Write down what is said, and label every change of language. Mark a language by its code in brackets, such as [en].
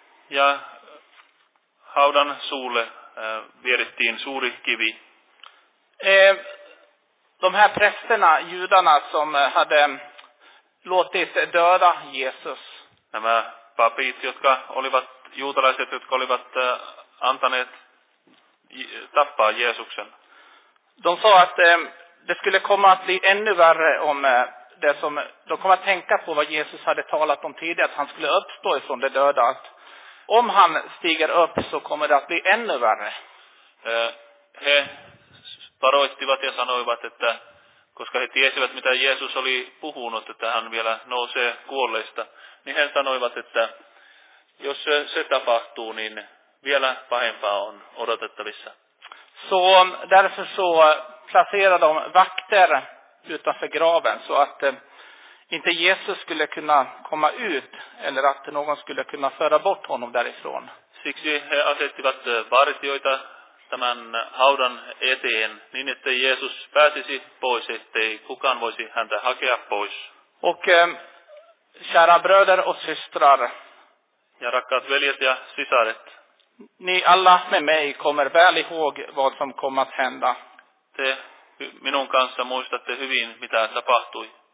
[fi] Ja haudan suulle vierittiin suuri kivi. [sv] De här prästerna, judarna som hade låtit döda Jesus. [fi] Nämä papit, jotka olivat juutalaiset, jotka olivat antaneet tappaa Jeesuksen. [sv] De sa att det skulle komma att bli ännu värre om det som de kommer att tänka på vad Jesus hade talat om tidigare, att han skulle uppstå ifrån det döda. Att om han stiger upp så kommer det att bli ännu värre. [fi] He varoittivat ja sanoivat, että koska he tiesivät, mitä Jeesus oli puhunut, että hän vielä nousee kuolleista, niin he sanoivat, että jos se tapahtuu, niin vielä pahempaa on odotettavissa. [sv] Så därför så placerade de vakter utanför graven så att inte Jesus skulle kunna komma ut eller att någon skulle kunna föra bort honom därifrån. [fi] Siksi he asettivat vartioita tämän haudan eteen niin että Jeesus pääsisi pois, ettei kukaan voisi häntä hakea pois. [sv] Och kära bröder och systrar. [fi] Ja rakkaat veljet ja sisaret. [sv] Ni alla med mig kommer väl ihåg vad som kom att hända. [fi] Te minun kanssa muistatte hyvin, mitä tapahtui.